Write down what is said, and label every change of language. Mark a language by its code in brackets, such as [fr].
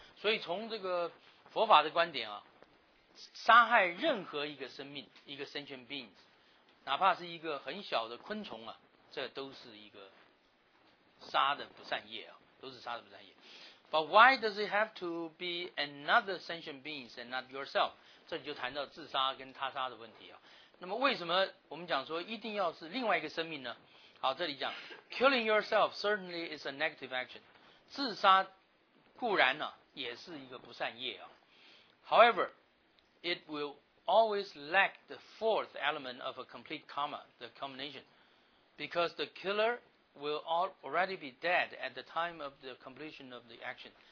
[zh] 所以从这个佛法的观点啊，杀害任何一个生命，一个 sentient beings, 哪怕是一个很小的昆虫啊，这都是一个杀的不善业啊，都是杀的不善业。 [en] But why does it have to be another sentient beings and not yourself? [zh] 这里就谈到自杀跟他杀的问题啊。那么为什么我们讲说一定要是另外一个生命呢？好，这里讲 [en] Killing yourself certainly is a negative action. [zh] 自杀固然呢、啊、也是一个不善业啊。 [en] However, it will always lack the fourth element of a complete karma, the culmination. Because the killer will already be dead at the time of the completion of the action.